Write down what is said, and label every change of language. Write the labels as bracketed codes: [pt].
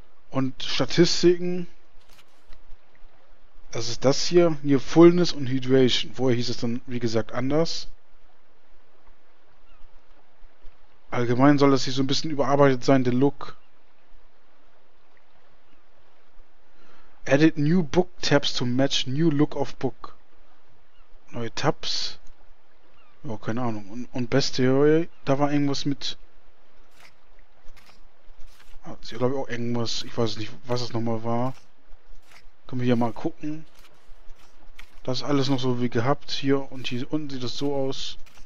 [de] Und Statistiken. Das ist das hier. Hier Fullness und Hydration. Vorher hieß es dann, wie gesagt, anders. Allgemein soll das hier so ein bisschen überarbeitet sein, der Look. [en] Edit new book tabs to match new look of book. [de] Neue Tabs. Ja, keine Ahnung. Und Best Theory, da war irgendwas mit. Ah, ich glaube auch irgendwas. Ich weiß nicht, was das nochmal war. Können wir hier mal gucken. Das ist alles noch so wie gehabt. Hier und hier unten sieht das so aus.